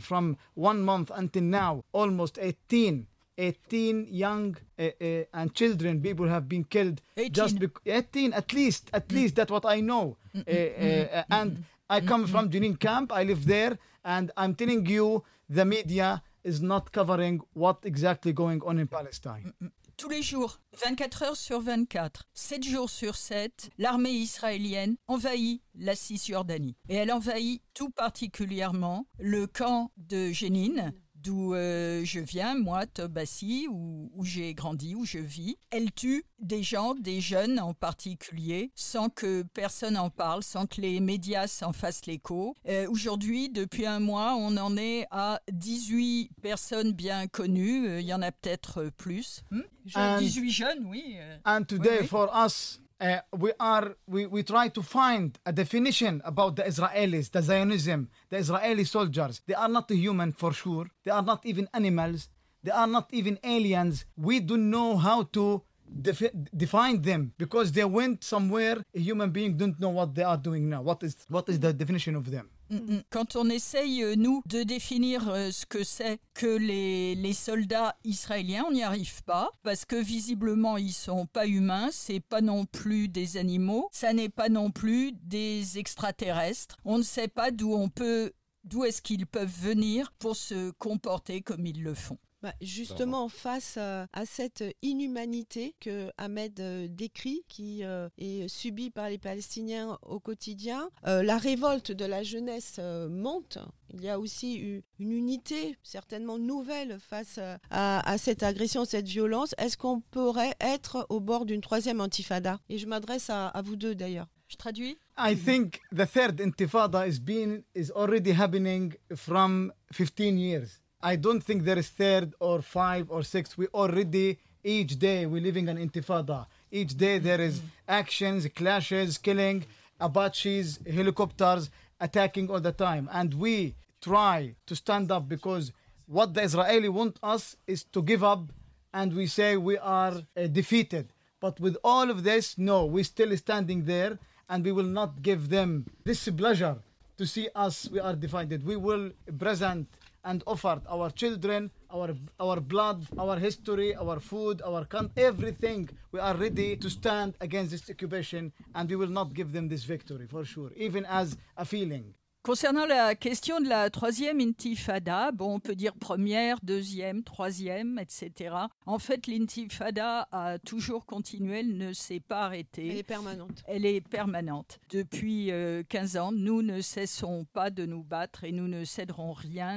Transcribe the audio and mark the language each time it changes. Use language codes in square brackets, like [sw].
[en] From 1 month until now, almost 18 young and children people have been killed. 18. Just 18, at least that's what I know. And I come from Jenin camp. I live there, and I'm telling you, the media is not covering what exactly going on in Palestine. [fr] Tous les jours, 24 heures sur 24, 7 jours sur 7, l'armée israélienne envahit la Cisjordanie. Et elle envahit tout particulièrement le camp de Jenin, d'où je viens, moi, Tobassi, où j'ai grandi, où je vis. Elle tue des gens, des jeunes en particulier, sans que personne en parle, sans que les médias s'en fassent l'écho. Aujourd'hui, depuis un mois, on en est à 18 personnes bien connues. Il y en a peut-être plus. [en] And [fr] 18 jeunes, oui. [en] And today, [fr] oui. [en] For us, we try to find a definition about the Israelis, the Zionism, the Israeli soldiers. They are not human for sure. They are not even animals. They are not even aliens. We don't know how to define them, because they went somewhere. A human being don't know what they are doing now. What is the definition of them? [fr] Quand on essaye, nous, de définir ce que c'est que les soldats israéliens, on n'y arrive pas, parce que visiblement, ils sont pas humains, c'est pas non plus des animaux, ça n'est pas non plus des extraterrestres. On ne sait pas d'où est-ce qu'ils peuvent venir pour se comporter comme ils le font. Bah justement, face à cette inhumanité que Ahmed décrit, qui est subie par les Palestiniens au quotidien, la révolte de la jeunesse monte. Il y a aussi une unité certainement nouvelle face à cette agression, cette violence. Est-ce qu'on pourrait être au bord d'une troisième intifada? Et je m'adresse à vous deux d'ailleurs. Je traduis. [en] I think the third intifada is already happening from 15 years. I don't think there is third or five or six. We already, each day, we're living an intifada. Each day there is actions, clashes, killing, Apaches, helicopters, attacking all the time. And we try to stand up, because what the Israeli want us is to give up, and we say we are defeated. But with all of this, no, we're still standing there, and we will not give them this pleasure to see us, we are defeated. We will present and offered our children, our blood, our history, our food, our everything. We are ready to stand against this occupation, and we will not give them this victory, for sure, even as a feeling. [fr] Concernant la question de la troisième intifada, bon, on peut dire première, deuxième, troisième, etc. En fait, l'intifada a toujours continué, elle ne s'est pas arrêtée. Elle est permanente. Elle est permanente. Depuis 15 ans, nous ne cessons pas de nous battre et nous ne céderons rien.